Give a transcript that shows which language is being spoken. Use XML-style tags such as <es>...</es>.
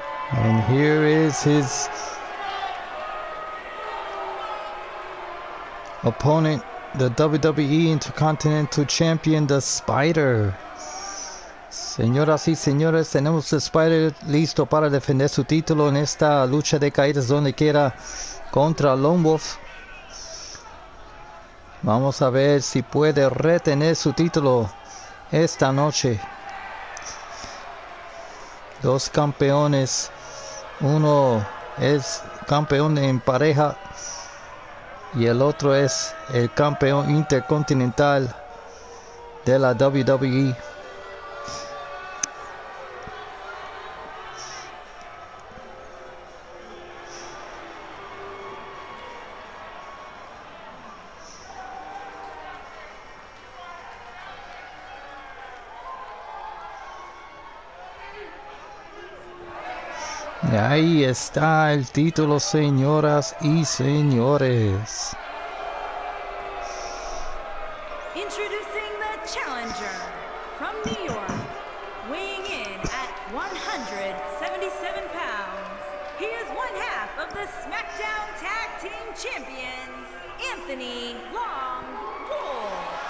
<en>And here is his opponent, the WWE Intercontinental Champion, the Spider.</en> <es>Señoras y señores, tenemos el Spider listo para defender su título en esta lucha de caídas donde quiera contra Lone Wolf. Vamos a ver si puede retener su título esta noche. Dos campeones. Uno es campeón en pareja y el otro es el campeón intercontinental de la WWE. Y ahí está el título, señoras y señores.</es> <en>Introducing the challenger from New York, weighing in at 177 pounds. He is one half of the SmackDown Tag Team Champions, Anthony Long.</en>